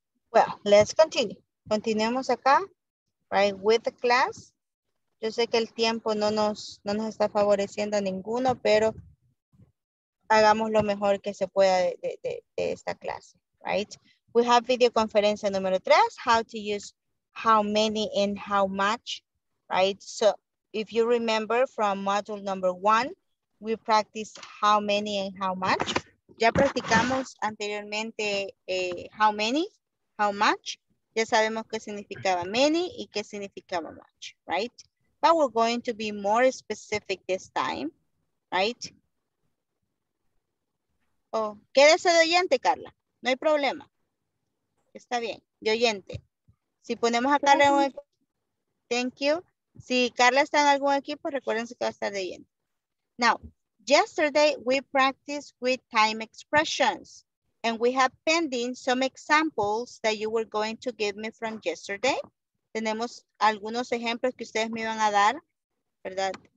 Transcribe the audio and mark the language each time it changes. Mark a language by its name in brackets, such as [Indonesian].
[English] Well, let's continue. [Spanish] Continuemos acá. [English] Right, with the class. [Spanish] Yo sé que el tiempo no nos está favoreciendo a ninguno, pero hagamos lo mejor que se pueda de esta clase, right? [English] We have [Spanish] video conferencia número 3, [English] how to use how many and how much, right? So if you remember from module number 1, we practiced how many and how much. [Spanish] Ya practicamos anteriormente how many, how much. Ya sabemos qué significaba many y qué significaba much, right? [English] But we're going to be more specific this time, right? [Spanish] Oh, quédese de oyente, Carla. No hay problema. Está bien, de oyente. Si ponemos a Carla en un equipo, [English] thank you. [Spanish] Si Carla está en algún equipo, recuérdense que va a estar de oyente. [English] Now, yesterday we practiced with time expressions. And we have pending some examples that you were going to give me from yesterday. [Spanish] Tenemos algunos ejemplos que ustedes me iban a dar, ¿verdad?